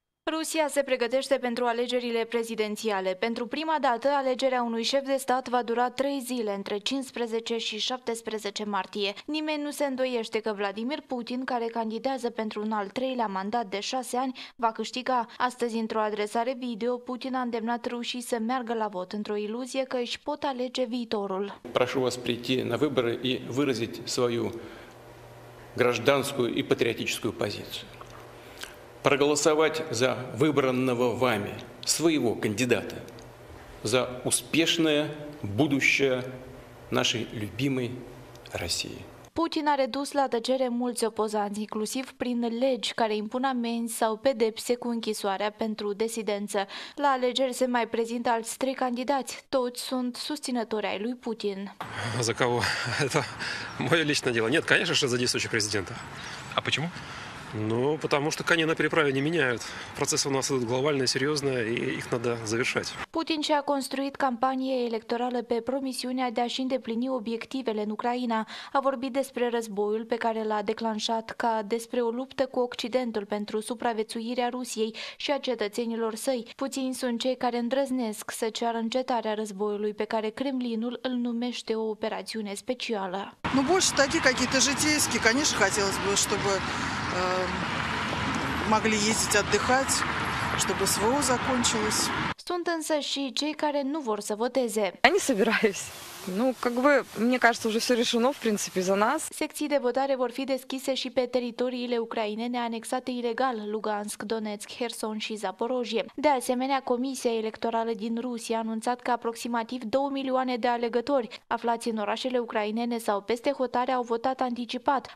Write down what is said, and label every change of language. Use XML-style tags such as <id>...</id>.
<ro>Rusia se pregătește pentru alegerile prezidențiale. Pentru prima dată, alegerea unui șef de stat va dura 3 zile, între 15 și 17 martie. Nimeni nu se îndoiește că Vladimir Putin, care candidează pentru un al 3-lea mandat de 6 ani, va câștiga. Astăzi, într-o adresare video, Putin a îndemnat rușii să meargă la vot, într-o iluzie că își pot alege viitorul.</ro> <ru>Прошу вас прийти на вибори і виразити свою гражданську і патріотичну позицію. Проголосовать за выбранного вами своего кандидата, за успешное будущее нашей любимой России.</ru> <ro>Putin a redus la tăcere mulți opozanți, inclusiv prin legi care impun amenzi sau pedepse cu închisoarea pentru disidență. La alegeri se mai prezintă alți 3 candidați. Toți sunt susținători ai lui Putin.</ro> <ru>За кого? Это моё личное дело. Нет, конечно, что за действующего президента. А почему? Ну, потому что коней на переправе не меняют. Процессы у нас идут глобальные, серьезные, и их надо завершать.</ru> <ro>Путин și-a construit campanie electorală pe promisiunea de a-și îndeplini obiectivele în Ucraina. A vorbit despre războiul pe care l-a declanșat ca despre o luptă cu Occidentul pentru supraviețuirea Rusiei și a cetățenilor săi. Puțini sunt cei care îndrăznesc să ceară încetarea războiului pe care Kremlinul îl numește o operațiune specială.</ro> <ru>Ну, больше такие какие-то житейские, конечно, хотелось бы, чтобы могли ездить отдыхать, чтобы СВО закончилось.</ru> <ro>Sunt însă și cei care nu vor să voteze.</ro> <ru>Я не собираюсь. Ну, как бы, мне кажется, уже все решено, в принципе, за нас.</ru> <ro>Секции de votare vor fi deschise și pe teritoriile ucrainene anexate ilegal, Lugansk, Donetsk, Herson și Zaporojie. De asemenea, Comisia Electorală din Rusia a anunțat că aproximativ 2 milioane de alegători aflați în orașele ucrainene sau peste hotare au votat anticipat.</ro>